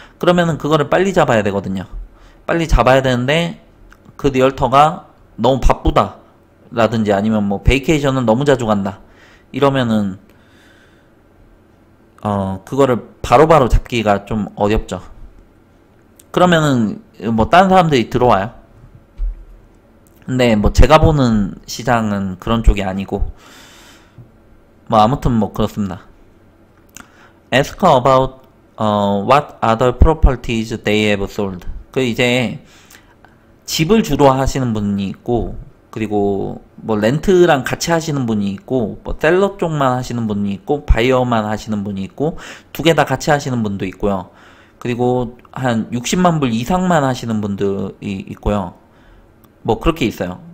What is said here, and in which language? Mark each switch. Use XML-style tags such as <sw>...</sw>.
<ko>그러면은 그거를 빨리 잡아야 되거든요. 빨리 잡아야 되는데 그 리얼터가 너무 바쁘다 라든지 아니면 뭐 베이케이션은 너무 자주 간다 이러면은 그거를 바로바로 잡기가 좀 어렵죠. 그러면은 뭐 다른 사람들이 들어와요. 근데 뭐 제가 보는 시장은 그런 쪽이 아니고 뭐 아무튼 뭐 그렇습니다.</ko> <en>Ask about what other properties they have sold.</en> <ko>그 이제 집을 주로 하시는 분이 있고 그리고 뭐 렌트랑 같이 하시는 분이 있고 뭐 셀러 쪽만 하시는 분이 있고 바이어만 하시는 분이 있고 두개다 같이 하시는 분도 있고요. 그리고 한 60만 불 이상만 하시는 분들이 있고요. 뭐 그렇게 있어요.</ko>